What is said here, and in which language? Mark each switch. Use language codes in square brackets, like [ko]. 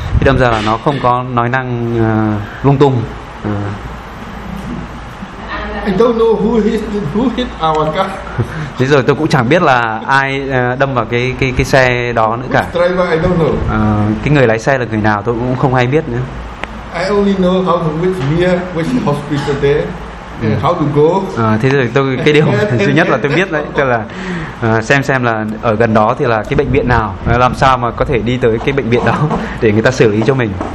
[vi] Thì đâm ra là nó không có nói năng lung tung. [en] I don't know who hit our car. [vi] Thế rồi tôi cũng chẳng biết là ai đâm vào cái xe đó nữa cả. [en] Which driver, I don't know. [vi] Cái người lái xe là người nào tôi cũng không hay biết nữa. [en] I only know how to which year, which hospital there, how to go. [vi] Thế rồi tôi cái điều duy nhất là tôi biết đấy, tức là xem là ở gần đó thì là cái bệnh viện nào, làm sao mà có thể đi tới cái bệnh viện đó để người ta xử lý cho mình.